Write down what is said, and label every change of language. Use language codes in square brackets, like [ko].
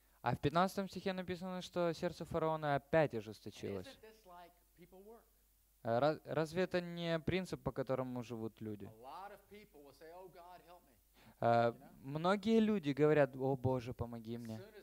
[ru] А в 15 стихе написано, что сердце фараона опять ожесточилось. [en] Isn't this like people work? [ru] Разве это не принцип, по которому живут люди? [en] A lot of people will say, oh God, help me. [ru] Многие люди говорят, о Боже, помоги мне.